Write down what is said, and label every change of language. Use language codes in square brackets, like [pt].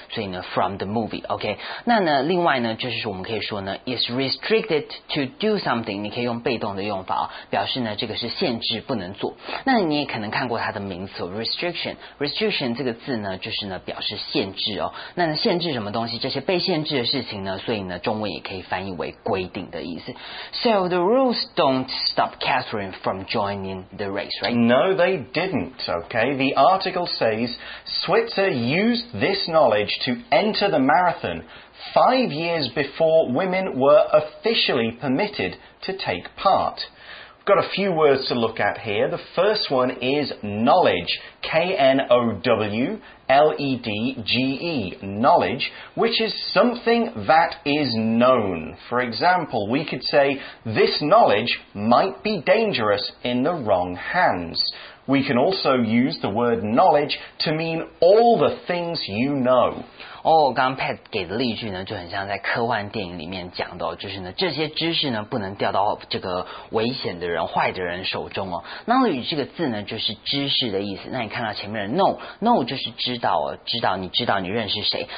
[zh] 所以呢 [en] from the movie, okay? [zh] 那呢另外呢就是我们可以说呢 [en] is restricted to do something, [zh] 你可以用被动的用法哦，表示呢这个是限制不能做。那你也可能看过它的名词哦， restriction。restriction 这个字呢就是呢表示限制哦。那限制什么东西，这些被限制的事情呢，所以中文也可以翻译为规定的意思。 [en] So the rules don't stop Catherine from joining the race, right? No, they didn't, okay? The article says Switzer used this knowledge to enter the marathon 5 years before women were officially permitted to take part. got a few words to look at here. The first one is knowledge, K-N-O-W-L-E-D-G-E, knowledge, which is something that is known. For example, we could say, this knowledge might be dangerous in the wrong hands. We can also use the word knowledge to mean all the things you know. [zh] 哦，刚刚 Pat 给的例句呢，就很像在科幻电影里面讲的，就是呢，这些知识呢不能掉到这个危险的人、坏的人手中哦。 Knowledge 这个字呢，就是知识的意思。那你看到前面的 know 就是知道哦，知道你知道你认识谁。